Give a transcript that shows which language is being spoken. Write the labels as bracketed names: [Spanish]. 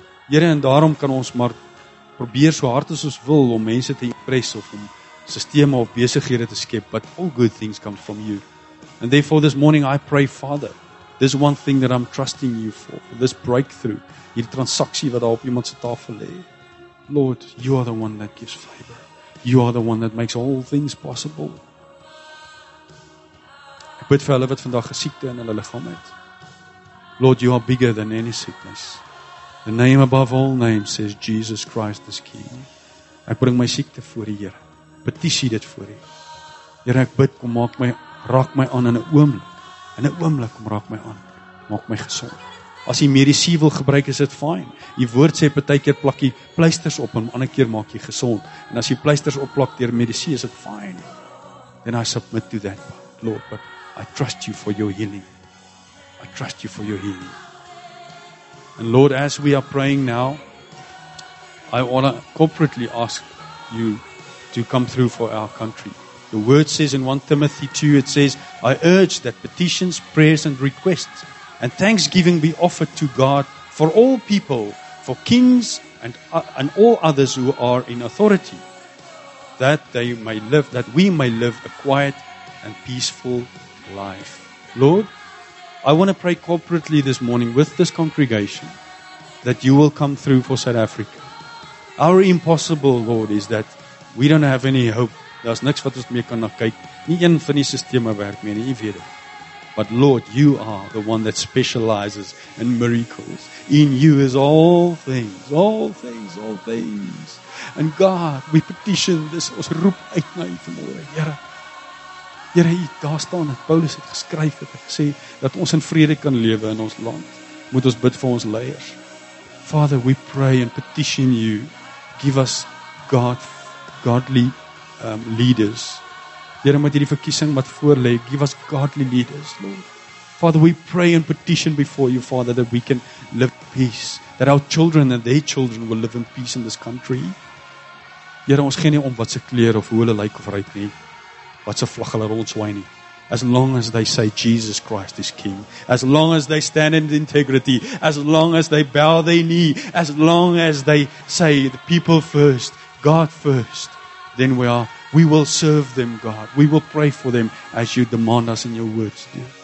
[Afrikaans] Here, en daarom kan ons maar probeer so hard as ons wil om mense te impress of om sisteme of besighede te skep, [English] but all good things come from you. And therefore this morning I pray, Father, this one thing that I'm trusting you for this breakthrough, [Afrikaans] hierdie transaksie wat daar op iemand se tafel lê. [English] Lord, you are the one that gives favor. You are the one that makes all things possible. [Afrikaans] Ek bid vir hulle wat vandag 'n siekte in hulle liggaam het. [English] Lord, you are bigger than any sickness. The name above all names says Jesus Christ is King. [Afrikaans] Ek bring my siekte voor die Here. Petisie dit voor U. Here, ek bid, kom maak my, raak my aan in 'n oomblik. In 'n oomblik kom raak my aan. Maak my gesond. As jy medisyne wil gebruik, is dit fyn. Die woord sê partykeer plak jy pleisters op en ander keer maak jy gesond. En as jy pleisters opplak deur medisyne, is dit fyn. [English] then I submit to that part, Lord, but I trust you for your healing. I trust you for your healing. And Lord, as we are praying now, I want to corporately ask you to come through for our country. The word says in 1 Timothy 2, it says, I urge that petitions, prayers and requests and thanksgiving be offered to God for all people, for kings and all others who are in authority, that they may live, that we may live a quiet and peaceful life. Lord, I want to pray corporately this morning with this congregation that you will come through for South Africa. Our impossible, Lord, is that we don't have any hope. There's [Afrikaans] niks wat ons meer kan na kyk. Nie een van die sisteme werk meer nie, jy weet dit. [English] But Lord, you are the one that specializes in miracles. In you is all things, all things, all things. And God, we petition this. [Afrikaans] Ons roep uit na u vanmôre, Here. Here, hier daar staan dat Paulus het geskryf het en gesê dat ons in vrede kan lewe in ons land. Moet ons bid vir ons leiers. [English] Father, we pray and petition you. Give us godly leaders. [Afrikaans] Here, met hierdie verkiesing wat voor lê, [English] give us godly leaders, [Afrikaans] Lord. [English] Father, we pray and petition before you, Father, that we can live peace. That our children and their children will live in peace in this country. [Afrikaans] Here, ons gee nie om wat se kleur of hoe hulle lyk of ry nie. [English] What's a [Afrikaans] vlag hulle rondswaai nie. [English] As long as they say Jesus Christ is King. As long as they stand in integrity. As long as they bow their knee. As long as they say the people first, God first. Then we will serve them, God. We will pray for them as you demand us in your words do.